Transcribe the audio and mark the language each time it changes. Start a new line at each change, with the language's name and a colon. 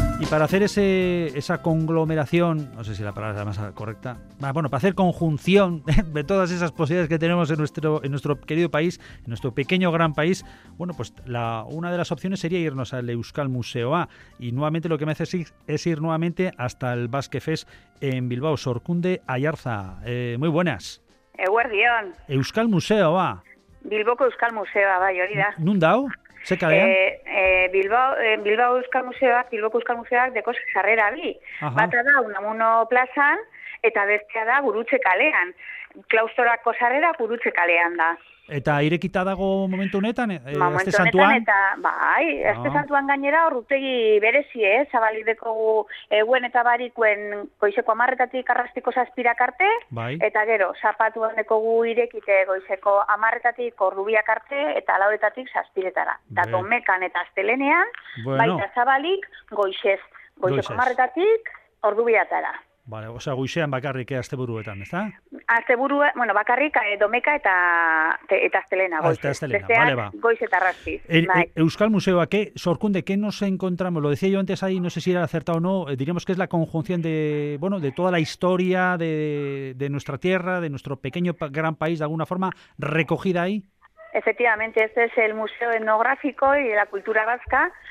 Spanish: Para hacer esa conglomeración, no sé si la palabra es la más correcta, bueno, para hacer conjunción de todas esas posibilidades que tenemos en nuestro querido país, en nuestro pequeño gran país, bueno, pues una de las opciones sería irnos al Euskal Museoa. Y nuevamente lo que me hace es ir nuevamente hasta el Basque Fest en Bilbao, Sorkunde Ayarza. Muy buenas.
Basque: Eguerdion. Euskal Museoa. Bilboko Euskal Museoa, bai, hori da. Nun dao? Bilbao Euskal Museoak, Bilboko Euskal Museoak deko sarrera bi. Bata da Unamuno plazan eta bestea da Gurutze kalean. Klaustorako sarrera Gurutze kalean da. Eta irekita dago momentu honetan, aste santuan? Eta, bai, aste santuan gainera urrutegi berezi, zabalideko eguen eta barikuen goizeko 10:00 arrastiko 7:00 arte, bai. Eta gero, zapatuan dekogu irekite goizeko 10:00 ordubiak arte, eta 4:00 7:00. Eta Domekan eta astelenean, bueno. Baita zabalik goizeko 10:00 ordubiatara. Vale,
Spanish: o sea,
Basque: goizean bakarrik asteburuetan, ¿está? Bakarrik Domeka eta astelena goizean. Eta astelena, vale, va. Goizetarrasti.
Spanish: Euskal Museoa, ¿qué? Sorkunde, ¿qué nos encontramos? Lo decía yo antes ahí, no sé si era acertado o no, diríamos que es la conjunción de toda la historia de nuestra tierra, de nuestro pequeño gran país, de alguna forma, recogida ahí. Efectivamente, este es el Museo Etnográfico y de la Cultura Vasca.